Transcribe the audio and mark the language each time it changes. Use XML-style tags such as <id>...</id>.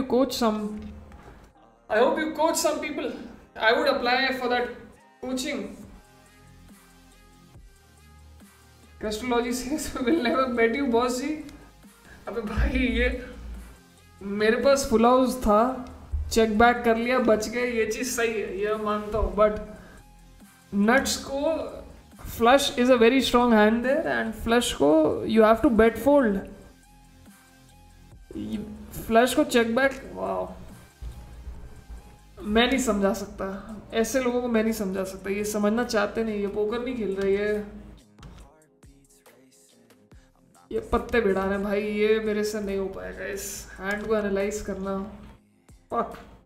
<en>I hope you coach some people. I would apply for that coaching. Crestology says we'll never bet you, bossy.</en> <hi>अबे भाई, ये मेरे पास full house था, check back कर लिया, बच गए. ये चीज सही है, ये मानता हूँ.</hi> <en>But nuts को flush is a very strong hand there, and flush को you have to bet fold.</en> <hi>Flash को चेक बैक, वाह, मैं नहीं समझा सकता. ऐसे लोगों को मैं नहीं समझा सकता. ये समझना चाहते नहीं, ये पोकर नहीं खेल रहे, ये पत्ते भिड़ा रहे भाई. ये मेरे से नहीं हो पाएगा. इस हैंड को एनालाइज करना, फक.</hi>